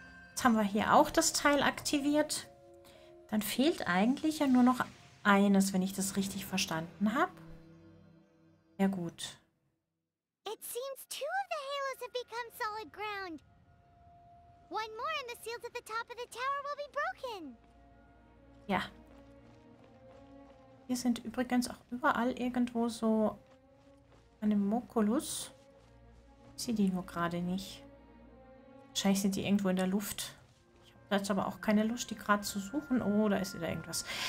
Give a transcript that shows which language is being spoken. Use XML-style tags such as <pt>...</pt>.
<de>Jetzt haben wir hier auch das Teil aktiviert. Dann fehlt eigentlich ja nur noch eines, wenn ich das richtig verstanden habe. Ja gut.</de> <en>It seems two of the halos have become solid ground. One more and the seals at the top of the tower will be broken.</en> <de>Ja. Hier sind übrigens auch überall irgendwo so eine Mokulus. Ich sehe die nur gerade nicht. Wahrscheinlich sind die irgendwo in der Luft. Ich habe jetzt aber auch keine Lust, die gerade zu suchen. Oh, da ist wieder irgendwas.</de>